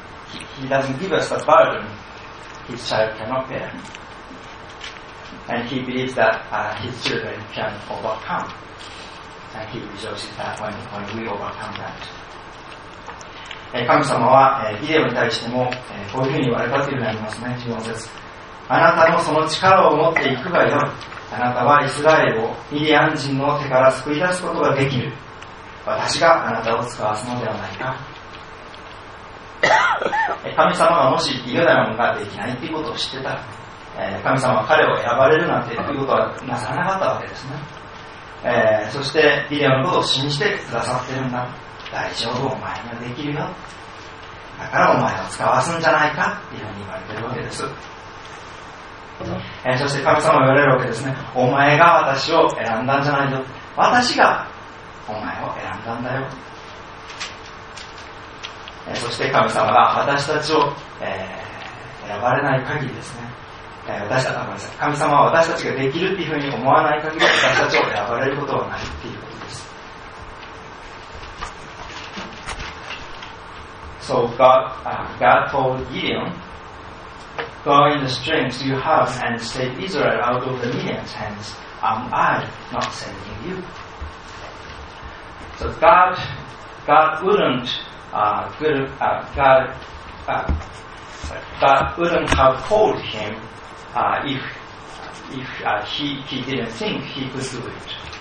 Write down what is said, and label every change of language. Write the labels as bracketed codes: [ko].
[en] he doesn't give us the burden his child cannot bear. And he believes that his children can overcome. And he rejoices that when we overcome that. [ja] 神様はギデオに対してもこういうふうに言われたというふうになりますね。 14節、あなたのその力を持っていくがよい。あなたはイスラエルをミディアン人の手から救い出すことができる。私があなたを使わすのではないか。神様がもしユダヤ人ができないということを知ってたら、神様は彼を選ばれるなんてということはなさらなかったわけですね。そしてギデオのことを信じてくださってるんだ。大丈夫、お前にはできるよ。だからお前を使わすんじゃないかっていうふうに言われてるわけです。そして神様も言われるわけですね。お前が私を選んだんじゃないよ。私がお前を選んだんだよ。そして神様が私たちを、選ばれない限りですね。私たちは神様は私たちができるっていうふうに思わない限り私たちを選ばれることはないっていう。 [en] So God told Gideon, go in the strength you have and save Israel out of the Midian's hands. Am I not sending you? So God wouldn't have called him if he didn't think he could do it.